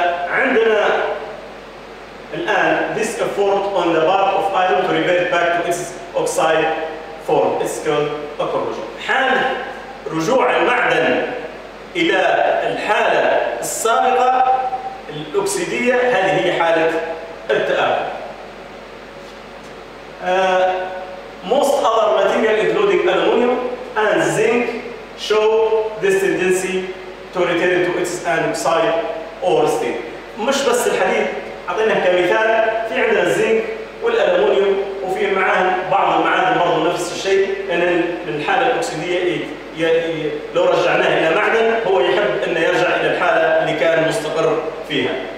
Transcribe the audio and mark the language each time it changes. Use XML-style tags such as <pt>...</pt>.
<ar>عندنا الآن</ar> <en>this effort on the part of iron to revert back to its oxide form is called a corrosion.</en> <ar>حال رجوع المعدن إلى الحالة السابقة الأكسيدية هذه هي حالة التآكل.</ar> <en>Most other material including aluminium and zinc show this tendency to return to its oxide or state.</en> <ar>مش بس الحديد، أعطينا كمثال في عندنا الزنك والألومنيوم وفي معاهم بعض المعادن برضه نفس الشيء، لأن يعني من الحالة الأكسيدية لو رجعناه إلى معدن هو يحب أنه يرجع إلى الحالة اللي كان مستقر فيها.</ar>